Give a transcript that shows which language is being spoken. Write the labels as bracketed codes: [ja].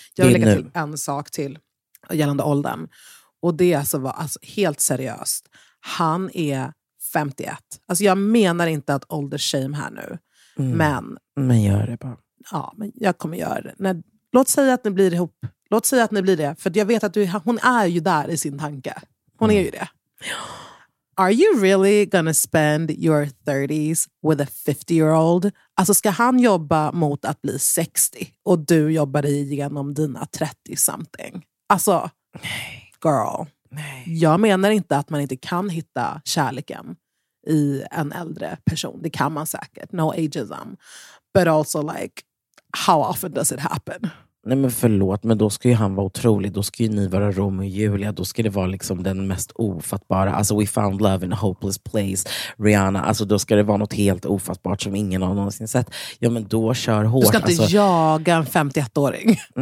[sv] Jag vill lägga till en sak till gällande åldern. Och det är alltså, helt seriöst. Han är 51. Alltså jag menar inte att ålder shame här nu. Mm. Men gör det bara. Ja, men jag kommer göra det. Nej, låt säga att ni blir ihop. Låt säga att ni blir det. För jag vet att hon är ju där i sin tanke. Hon är ju det. [en] Are you really gonna spend your 30s with a 50-year-old? [sv] Alltså ska han jobba mot att bli 60 och du jobbar igenom dina 30-something? Alltså, nej. [en] Girl. [sv] Nej. Jag menar inte att man inte kan hitta kärleken i en äldre person. Det kan man säkert. [en] No ageism. But also like, how often does it happen? [sv] Nej men förlåt, men då ska ju han vara otrolig. Då ska ju ni vara Romeo och Julia. Då ska det vara liksom den mest ofattbara. Alltså [en] we found love in a hopeless place, [sv] Rihanna. Alltså då ska det vara något helt ofattbart som ingen har någonsin sett. Ja men då kör hårt. Du ska inte alltså jaga en 51-åring.